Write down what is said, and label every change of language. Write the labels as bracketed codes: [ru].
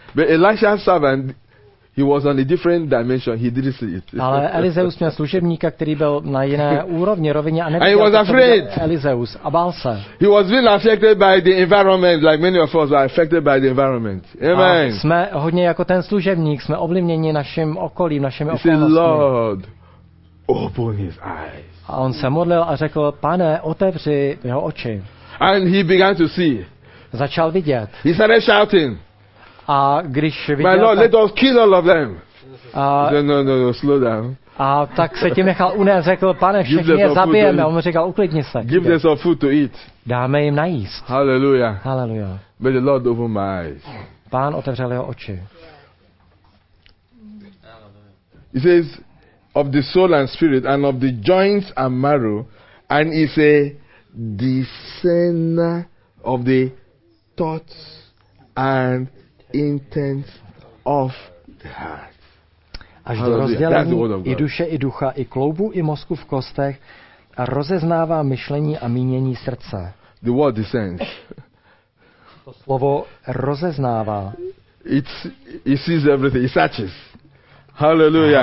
[en] But Elisha's servant, he was on a different dimension. He didn't see it. [cs] Ale Elizeus měl služebníka, který byl na jiné úrovni, rovině a neviděl. [en] And he was afraid. [cs] Elizeus a bál se. [en] He was being affected by the environment, like many of us are affected by the environment. Amen. [cs] A jsme hodně jako ten služebník, jsme ovlivněni naším okolím, našimi okolnostmi. [en] He said, Lord, open his eyes. [cs] A on se modlil a řekl, Pane, otevři jeho oči. [en] And he began to see. [cs] Začal vidět. [en] He started shouting. [cs] A když viděl, [en] my Lord, let us kill all of them. No, slow down. [cs] A tak se tím nechal unést, řekl, Pane, všechny je zabijeme. On mu říkal, uklidni se. [en] Give them some food to eat. [cs] Dáme jim najíst. Hallelujah. Hallelujah. [en] May the Lord open my eyes. [cs] Pán otevřel jeho oči. [en] He says, of the soul and spirit, and of the joints and marrow, and is a discerner of the thoughts and intent of the heart. [cs] Až do rozdělení i duše, i ducha, i kloubu, i mozku v kostech a rozeznává myšlení a mínění srdce. [en] The word discerns. [cs] To slovo rozeznává. [en] It sees everything. It searches. Hallelujah.